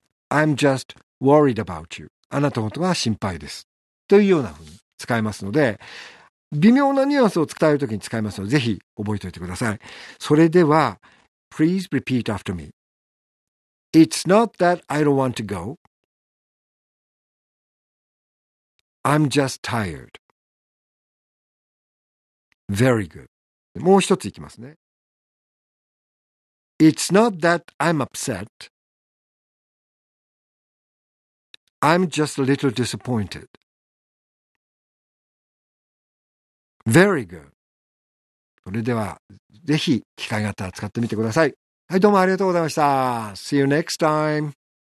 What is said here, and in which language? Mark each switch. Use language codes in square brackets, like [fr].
[en] I'm just worried about you. [ja] あなたのことが心配です。というようなふうに使えますので、微妙なニュアンスを伝えるときに使いますので、ぜひ覚えておいてください。それでは、 [en] Please repeat after me. It's not that I don't want to go. I'm just tired. Very good. [ja] もう一ついきますね。 [en] It's not that I'm upset. I'm just a little disappointed. Very good. [ja] それでは、ぜひ、機会があったら使ってみてください。はい、どうもありがとうございました。 [en] See you next time.